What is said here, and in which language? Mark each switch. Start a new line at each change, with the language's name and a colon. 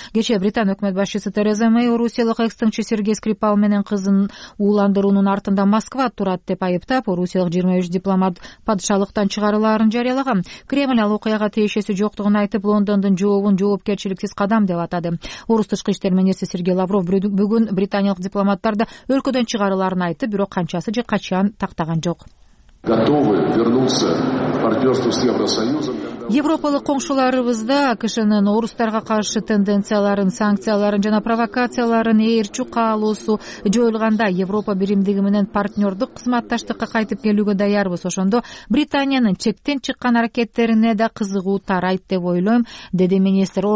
Kyrgyz: Кечээ Британ өкмөт башчысы Тереза Мэй орусиялык экс-тыңчы Сергей Скрипал менен кызын ууландыруунун артында Москва турат деп айыптап, орусиялык 23 дипломат падышалыктан чыгарылаарын жарыялаган. Кремль ал окуяга тиешеси жоктугун айтып, Лондондун жообун жоопкерчиликсиз кадам деп атады. Орус тышкы иштер министри Сергей Лавров бүгүн британиялык дипломаттарды өлкөдөн чыгарыларын айтты, бирок канчасы же качан тактаган жок.
Russian: Готовы вернуться в партнерство с Евросоюзом.
Kyrgyz: Европалык коңшуларыбызда АКШнын орустарга каршы тенденцияларын, санкцияларын жана провокацияларын ээрчү каалоосу жоюлганда Европа биримдиги менен партнердук кызматташтыкка кайтып келүүгө даярбыз. Ошондо Британиянын чектен чыккан аракеттерине да кызыгуу тарайт деп ойлойм, деди министр.